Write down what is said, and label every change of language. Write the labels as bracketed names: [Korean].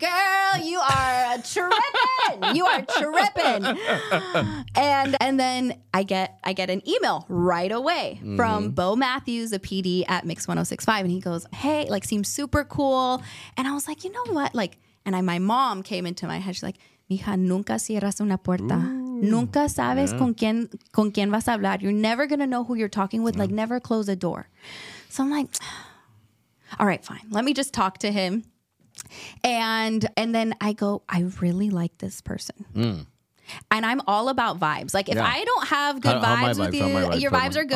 [English] Girl, you are tripping. You are tripping. And then I get an email right away from Bo Matthews, a PD at Mix 106.5. And he goes, hey, like, seems super cool. And I was like, you know what? Like, and my mom came into my head. She's like, mija, [Spanish] nunca cierras una puerta. Nunca sabes con quien vas a hablar. [English] You're never going to know who you're talking with. Yeah. Like, never close a door. So I'm like, all right, fine. Let me just talk to him. And then I go, I really like this person. Mm. And I'm all about vibes. Like, if I don't have good vibes with you, your vibes are good.